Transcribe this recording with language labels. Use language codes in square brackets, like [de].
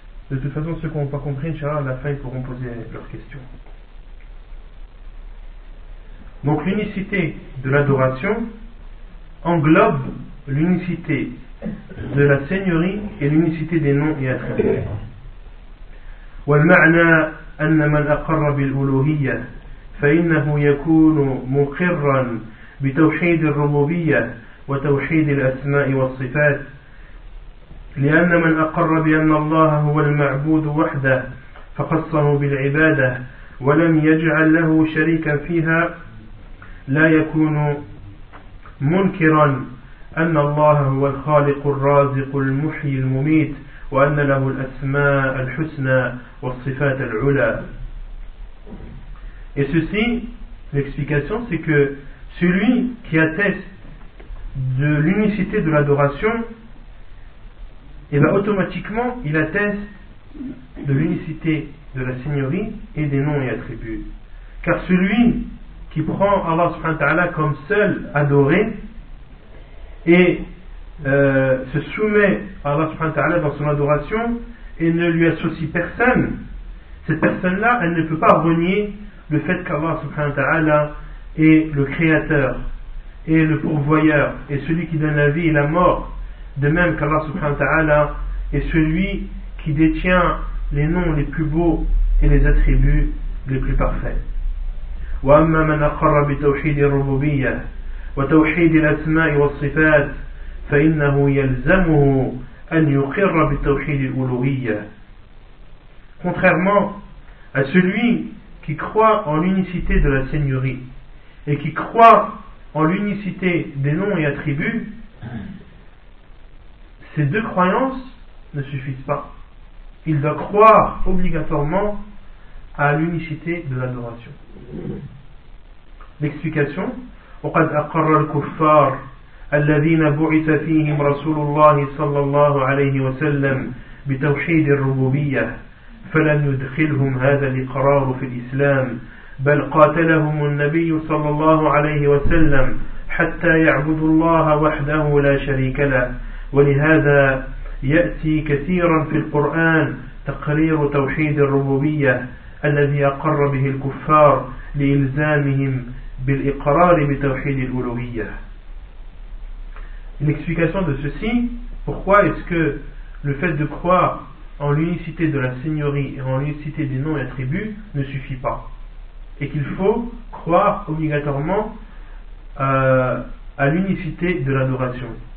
[fr] De toute façon, ceux qui n'ont pas compris, Inch'Allah, à la fin, ils pourront poser leurs questions. Donc l'unicité de l'adoration englobe l'unicité de la seigneurie et l'unicité des noms et attributs. [ar] والمعنى أن من أقر بالألوهية فإنه يكون مقرا بتوحيد الربوبية وتوحيد الأسماء والصفات، لأن من أقر بأن الله هو المعبود وحده فخصه بالعبادة ولم يجعل له شريكا فيها لا يكون منكرا أن الله هو الخالق الرازق المحيي المميت وأن له الأسماء الحسنى والصفات العلى. [fr] Et ceci, l'explication, c'est que celui qui atteste de l'unicité de l'adoration, et bien automatiquement, il atteste de l'unicité de la seigneurie et des noms et attributs. Car celui qui prend Allah subhanahu wa ta'ala comme seul adoré et se soumet à Allah subhanahu wa ta'ala dans son adoration et ne lui associe personne, cette personne-là, elle ne peut pas renier le fait qu'Allah subhanahu wa ta'ala est le créateur et le pourvoyeur et celui qui donne la vie et la mort, de même qu'Allah subhanahu wa ta'ala est celui qui détient les noms les plus beaux et les attributs les plus parfaits. [ar] وأما من أقر بتوحيد الربوبية وتوحيد الأسماء والصفات فإنه يلزمه أن يقر بتوحيد الألوهية. [fr] Contrairement à celui qui croit en l'unicité de la Seigneurie et qui croit en l'unicité des noms et attributs, ces deux croyances ne suffisent pas. Il doit croire obligatoirement à l'unicité de l'adoration. L'explication: [ar] وقد أقر الكفار الذين بعث فيهم رسول الله صلى الله عليه وسلم بتوحيد الربوبية فلن يدخلهم هذا الإقرار في الإسلام بل قاتلهم النبي صلى الله عليه وسلم حتى يعبدوا الله وحده لا شريك له. ولهذا يأتي كثيرا في القرآن تقرير توحيد الربوبية الذي أقر به الكفار لإلزامهم بالإقرار بتوحيد الألوهية. [fr] Une explication de ceci, pourquoi est-ce que le fait de croire en l'unicité de la Seigneurie et en l'unicité des noms et attributs ne suffit pas, et qu'il faut croire obligatoirement à l'unicité de l'adoration.